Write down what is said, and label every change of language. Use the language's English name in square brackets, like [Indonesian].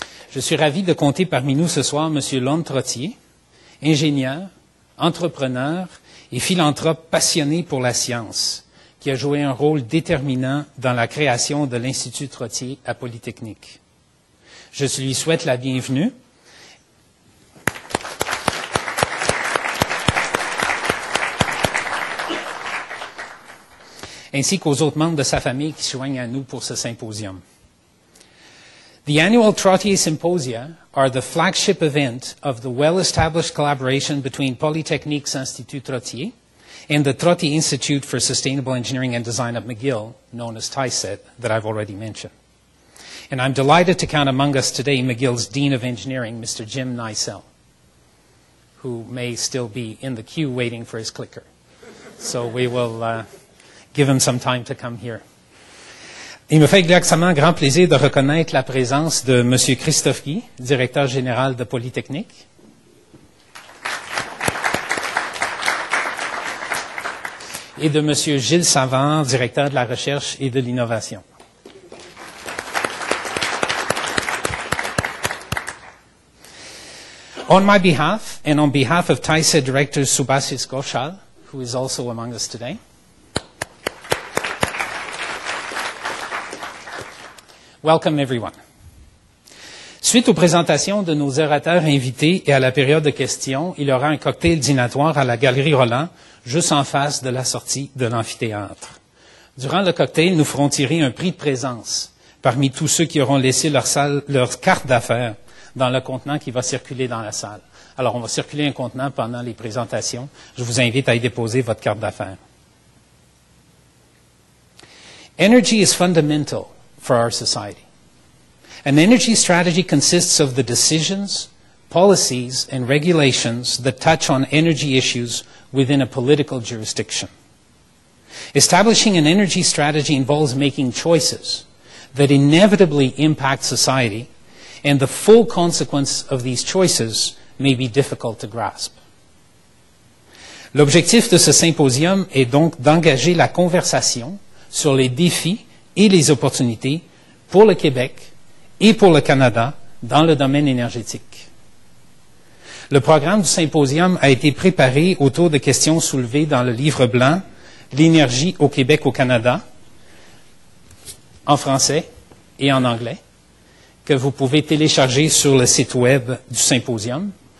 [French] Je suis ravi de compter parmi nous ce soir M. Lon Trottier, ingénieur, entrepreneur et philanthrope passionné pour la science, qui a joué un rôle déterminant dans la création de l'Institut Trottier à Polytechnique. Je lui souhaite la bienvenue. Ainsi qu'aux autres membres de sa famille qui se joignent à nous pour ce symposium. [English] The annual Trottier Symposia are the flagship event of the well-established collaboration between Polytechnique's Institut Trottier and the Trottier Institute for Sustainable Engineering and Design of McGill, known as TICET, that I've already mentioned. And I'm delighted to count among us today McGill's Dean of Engineering, Mr. Jim Nicell, who may still be in the queue waiting for his clicker. So we will give him some time to come here. [French] Il me fait exactement grand plaisir de reconnaître la présence de M. Christophe Guy, directeur général de Polytechnique. Et de M. Gilles Savant, directeur de la recherche et de l'innovation. [English] On my behalf, and on behalf of TICET Director Subhasis Ghoshal, who is also among us today, welcome everyone. [French] Suite aux présentations de nos orateurs invités et à la période de questions, il y aura un cocktail dînatoire à la Galerie Roland, juste en face de la sortie de l'amphithéâtre. Durant le cocktail, nous ferons tirer un prix de présence parmi tous ceux qui auront laissé leur carte d'affaires dans le contenant qui va circuler dans la salle. Alors, on va circuler un contenant pendant les présentations. Je vous invite à y déposer votre carte d'affaires. [English] Energy is fundamental for our society. An energy strategy consists of the decisions, policies, and regulations that touch on energy issues within a political jurisdiction. Establishing an energy strategy involves making choices that inevitably impact society, and the full consequence of these choices may be difficult to grasp. [French] L'objectif de ce symposium est donc d'engager la conversation sur les défis et les opportunités pour le Québec et pour le Canada dans le domaine énergétique. Le programme du symposium a été préparé autour de questions soulevées dans le livre blanc « L'énergie au Québec au Canada » en français et en anglais, que vous pouvez télécharger sur le site web du symposium.